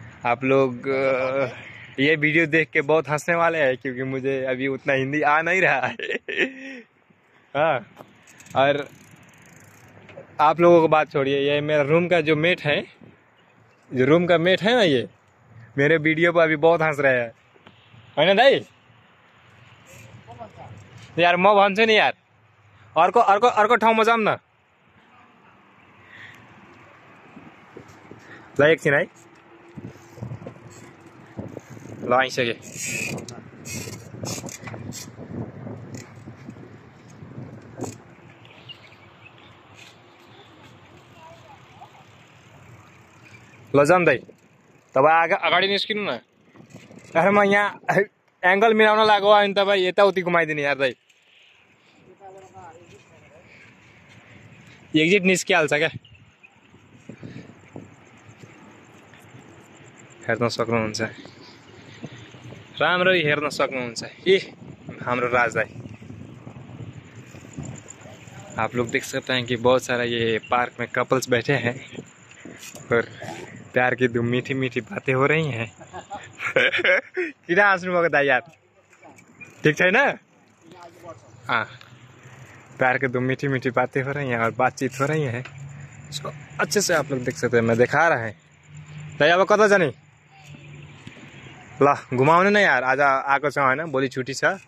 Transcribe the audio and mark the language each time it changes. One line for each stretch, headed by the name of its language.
Hindi: आप लोग ये वीडियो देख के बहुत हंसने वाले हैं क्योंकि मुझे अभी उतना हिंदी आ नहीं रहा है। और आप लोगों को बात छोड़िए, ये मेरा रूम का जो मेट है, जो रूम का मेट है ना, ये मेरे वीडियो पर अभी बहुत हंस रहा है ना दाई।
Nepali: यार म भन्छु नि यार, अर्को अर्को अर्को ठाउँमा जाऊँ न ल, एकछिन है ल, आइसके। ल जाऊँ दाई, तपाईँ अगाडि निस्किनु न। अरे म यहाँ एङ्गल मिलाउन लागो, अनि तपाईँ यताउति घुमाइदिने यार दाई। एक्जिट निस्किहाल्छ क्या, हेर्न सक्नुहुन्छ, राम्रो हेर्न सक्नुहुन्छ। ए हाम्रो राज दाई,
Hindi: आप लोग देख सकते हैं कि बहुत सारा ये पार्क में कपल्स बैठे हैं और प्यार की धूम, मीठी मीठी बातें हो रही हैं।
Nepali: किन हाँस्नु भएको दाई यार, ठीक छैन?
Hindi: हाँ, प्यार की धूम, मीठी मीठी बातें हो रही हैं और बातचीत हो रही हैं। इसको अच्छे से आप लोग देख सकते हैं, मैं दिखा रहा है दाई।
Nepali: अब कता जाने, ल घुमाउनु न यार, आज आएको छ होइन, भोलि छुट्टी छ।